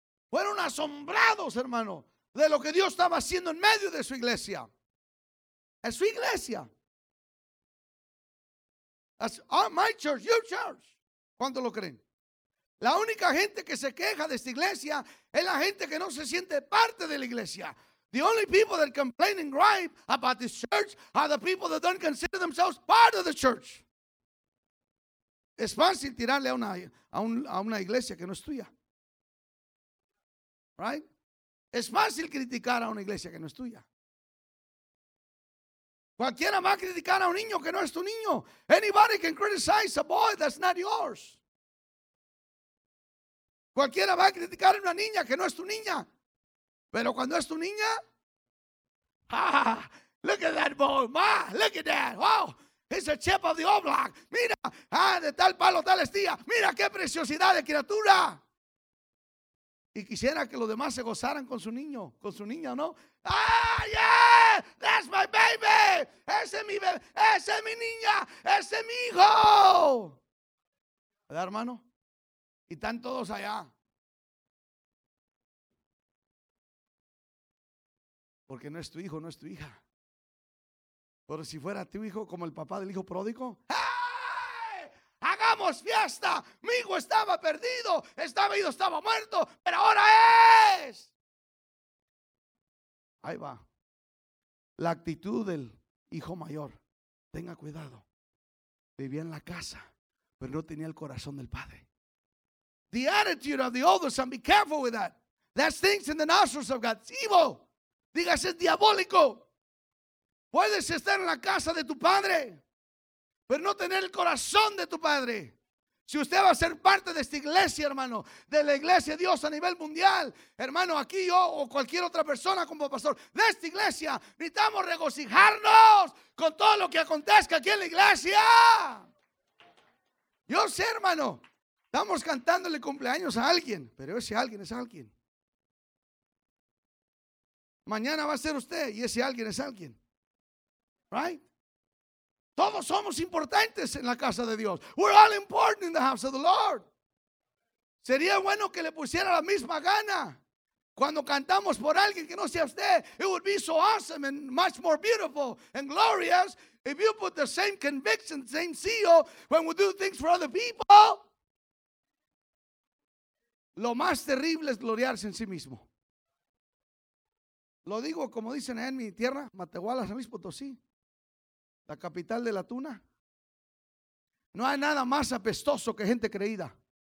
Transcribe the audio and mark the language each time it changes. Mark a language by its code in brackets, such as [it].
[es] Fueron asombrados, hermano, de lo que Dios estaba haciendo en medio de su iglesia. En su iglesia. [en] That's my church, your church. [es] ¿Cuánto lo creen? La única gente que se queja de esta iglesia es la gente que no se siente parte de la iglesia. [en] The only people that complain and gripe about this church are the people that don't consider themselves part of the church. [es] Es fácil tirarle a una iglesia que no es tuya. [en] Right? [es] Es fácil criticar a una iglesia que no es tuya. Cualquiera va a criticar a un niño que no es tu niño. [en] Anybody can criticize a boy that's not yours. [es] Cualquiera va a criticar a una niña que no es tu niña. Pero cuando es tu niña, [en] look at that boy, ma, look at that, wow. It's a chip of the oblong. [es] Mira, ah, de tal palo, tal estía. Mira qué preciosidad de criatura. Y quisiera que los demás se gozaran con su niño, con su niña, ¿no? [en] Ah, yeah, that's my baby. [es] Ese es mi niña, ese es mi hijo. ¿Verdad, hermano? Y están todos allá. Porque no es tu hijo, no es tu hija. Pero si fuera tu hijo, como el papá del hijo pródigo, ¡hey! ¡Hagamos fiesta! Mi hijo estaba perdido, estaba ido, estaba muerto, pero ahora es. Ahí va. La actitud del hijo mayor. Tenga cuidado. Vivía en la casa, pero no tenía el corazón del padre. [en] The attitude of the oldest, and be careful with that. That stinks in the nostrils of God. It's evil. [es] Digas, es diabólico. Puedes estar en la casa de tu padre, pero no tener el corazón de tu padre. Si usted va a ser parte de esta iglesia, hermano, de la iglesia de Dios a nivel mundial, hermano, aquí yo o cualquier otra persona como pastor de esta iglesia, necesitamos regocijarnos con todo lo que acontezca aquí en la iglesia. Yo sé, hermano, estamos cantándole cumpleaños a alguien, pero ese alguien es alguien. Mañana va a ser usted y ese alguien es alguien. [en] Right? [es] Todos somos importantes en la casa de Dios. [en] We're all important in the house of the Lord. [es] Sería bueno que le pusiera la misma gana cuando cantamos por alguien que no sea usted. [en] It would be so awesome and much more beautiful and glorious if you put the same conviction, same zeal when we do things for other people. [es] Lo más terrible es gloriarse en sí mismo. Lo digo como dicen en mi tierra, Matehuala, San Luis Potosí, la capital de la tuna. No hay nada más apestoso que gente creída.